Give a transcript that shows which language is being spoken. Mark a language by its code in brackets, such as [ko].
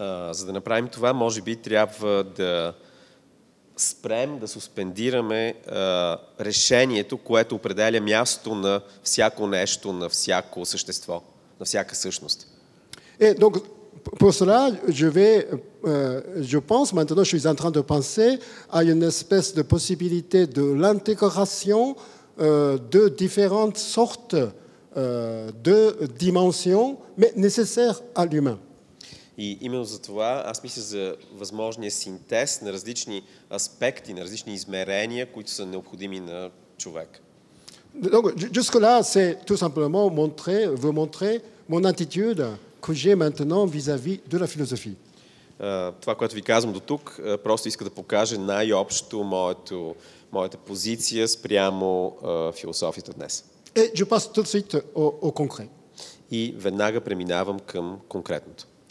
[bg] За да направим това, може би трябва да спрем да суспендираме решението, което определя място на всяко нещо, на всяко същество, на всяка същност. [fr] Et donc pour cela, je vais je pense maintenant je suis en train de penser à une espèce de possibilité de l'intégration de différentes sortes de dimensions mais nécessaires à l'humain. [bg] И именно за това аз мисля за възможния синтез на различни аспекти, на различни измерения, които са необходими на човек. [fr] Donc jusque-là, c'est tout simplement vous montrer mon attitude que j'ai maintenant vis-à-vis de la philosophie. [bg] Това, което ви казвам до тук, просто иска да покаже най-общо моята позиция спрямо философията днес. [fr] Et je passe tout de suite au concret. [bg] И веднага преминавам към конкретното.